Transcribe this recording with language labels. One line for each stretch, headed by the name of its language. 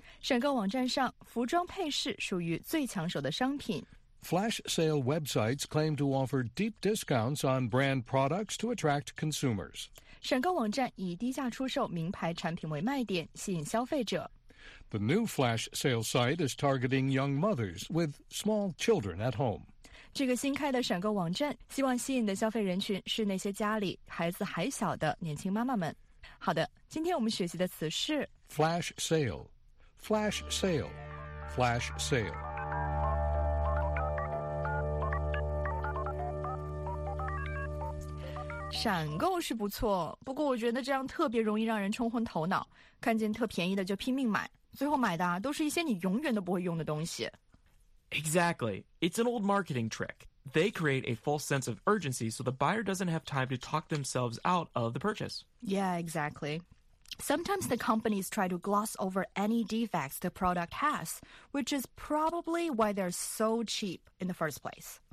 Chinese: 闪购网站上，服装配饰属于最抢手的商品。
English: flash sale websites claim to offer deep discounts on brand products to attract consumers.
Chinese: 选购网站以低价出售名牌产品为卖点，吸引消费者。
English: The new flash sale site is targeting young mothers with small children at home.
Chinese: 这个新开的选购网站希望吸引的消费人群是那些家里孩子还小的年轻妈妈们。好的，今天我们学习的词是
English: flash sale, flash sale, flash sale.
Chinese: 闪购是不错，不过我觉得这样特别容易让人冲昏头脑，看见特便宜的就拼命买，最后买的都是一些你永远都不会用的东西。
English: Exactly. It's an old marketing trick. They create a false sense of urgency so the buyer doesn't have time to talk themselves out of the purchase. Yeah, exactly. Sometimes the companies try to gloss over any defects the product has, which is probably why they're so cheap in the first place.